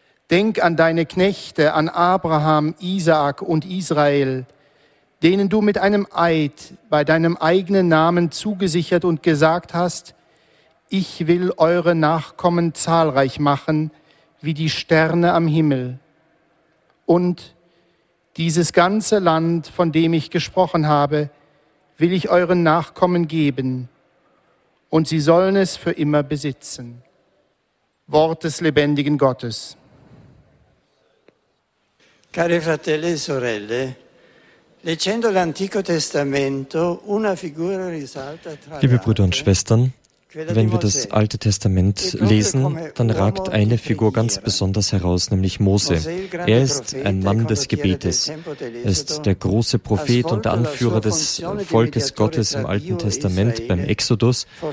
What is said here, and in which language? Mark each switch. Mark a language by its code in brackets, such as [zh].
[de] Denk an deine Knechte, an Abraham, Isaak und Israel, denen du mit einem Eid bei deinem eigenen Namen zugesichert und gesagt hast: Ich will eure Nachkommen zahlreich machen wie die Sterne am Himmel. Und dieses ganze Land, von dem ich gesprochen habe, will ich euren Nachkommen geben, und sie sollen es für immer besitzen. Wort des lebendigen Gottes. [it] Cari fratelli e sorelle, leggendo l'Antico Testamento, una figura risalta tra [de] Liebe Brüder und Schwestern, wenn wir das Alte Testament lesen, dann ragt eine Figur ganz besonders heraus, nämlich Mose. Er ist ein Mann des Gebetes. Er ist der große Prophet und der Anführer des Volkes Gottes im Alten Testament beim Exodus.